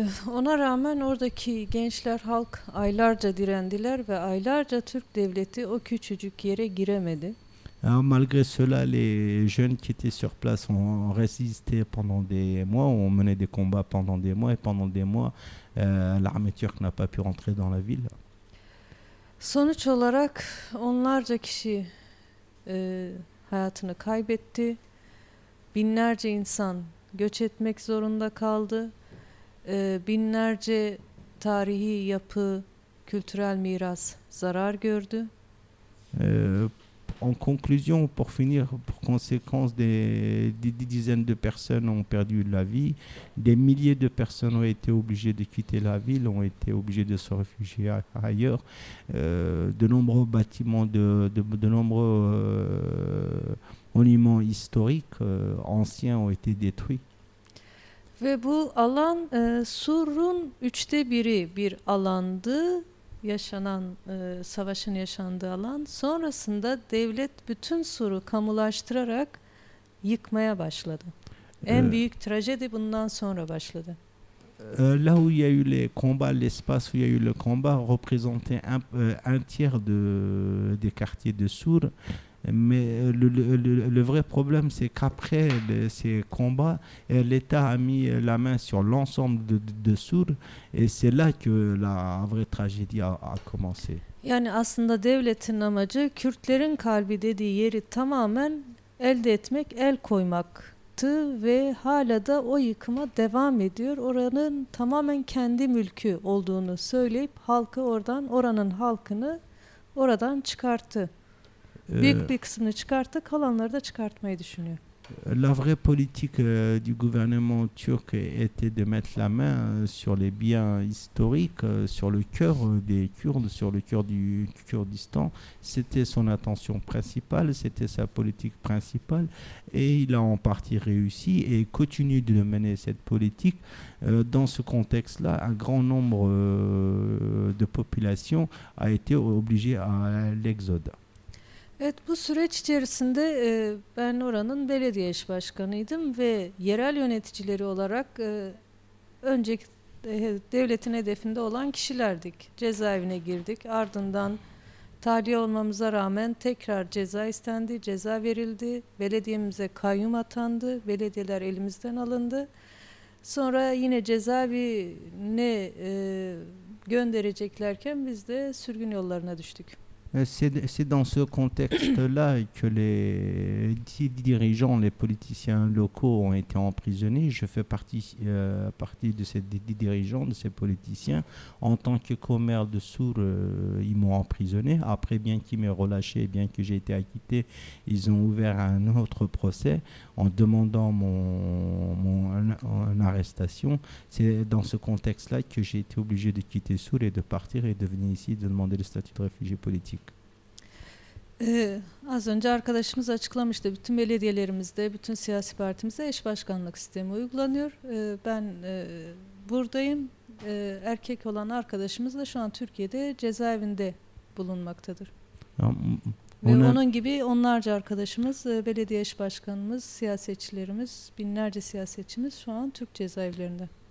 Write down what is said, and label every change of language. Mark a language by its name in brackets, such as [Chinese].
[Turkish] Ona rağmen oradaki gençler, halk aylarca direndiler ve aylarca Türk devleti o küçücük yere giremedi. [French] Malgré cela, les jeunes qui étaient sur place ont résisté pendant des mois, ont mené des combats pendant des mois et pendant des mois, l'armée turque n'a pas pu rentrer dans la ville. [Turkish] Sonuç olarak onlarca kişi hayatını kaybetti. Binlerce insan göç etmek zorunda kaldı. Binlerce tarihi yapı, kültürel miras zarar gördü. [French] En conclusion, pour finir, pour conséquence, des dizaines de personnes ont perdu la vie. Des milliers de personnes ont été obligées de quitter la ville, ont été obligées de se réfugier ailleurs. De nombreux bâtiments, de nombreux monuments historiques anciens ont été détruits. [Turkish] Ve bu alan Sur'un üçte biri bir alandı. Yaşanan savaşın yaşandığı alan sonrasında devlet bütün Sur'u kamulaştırarak yıkmaya başladı. En büyük trajedi bundan sonra başladı. [French] Là où il y a eu les combats, l'espace où il y a eu le combat représentait un tiers des quartiers de Sur. Mais le vrai problème, c'est qu'après ces combats, l'État a mis la main sur l'ensemble de Sur, et c'est là que la vraie tragédie a commencé. [Turkish] Yani aslında devletin amacı Kürtlerin kalbi dediği yeri tamamen elde etmek, el koymaktı ve hala da o yıkıma devam ediyor. Oranın tamamen kendi mülkü olduğunu söyleyip halkı oradan, oranın halkını oradan çıkarttı. Büyük bir kısmını çıkarttı, kalanları da çıkartmayı düşünüyor. [French] La vraie politique du gouvernement turc était de mettre la main sur les biens historiques, sur le cœur des Kurdes, sur le cœur du Kurdistan. C'était son intention principale, c'était sa politique principale. Et il a en partie réussi et continue de mener cette politique. Dans ce contexte-là, un grand nombre de populations a été obligée à l'exode. [Turkish] Evet, bu süreç içerisinde ben oranın belediye eş başkanıydım ve yerel yöneticileri olarak önceki devletin hedefinde olan kişilerdik. Cezaevine girdik. Ardından tahliye olmamıza rağmen tekrar ceza istendi, ceza verildi. Belediyemize kayyum atandı, belediyeler elimizden alındı. Sonra yine cezaevine göndereceklerken biz de sürgün yollarına düştük. [French] C'est dans ce contexte-là que les dirigeants, les politiciens locaux ont été emprisonnés. Je fais partie de ces dirigeants, de ces politiciens. En tant que commère de Sur, ils m'ont emprisonné. Après, bien qu'ils m'aient relâché, bien que j'ai été acquitté, ils ont ouvert un autre procès en demandant mon arrestation. C'est dans ce contexte-là que j'ai été obligé de quitter Sur et de partir et de venir ici de demander le statut de réfugié politique. [Turkish] Az önce arkadaşımız açıklamıştı, bütün belediyelerimizde, bütün siyasi partimizde eş başkanlık sistemi uygulanıyor. Ben buradayım. Erkek olan arkadaşımız da şu an Türkiye'de cezaevinde bulunmaktadır. Ve onun gibi onlarca arkadaşımız, belediye eş başkanımız, siyasetçilerimiz, binlerce siyasetçimiz şu an Türk cezaevlerinde.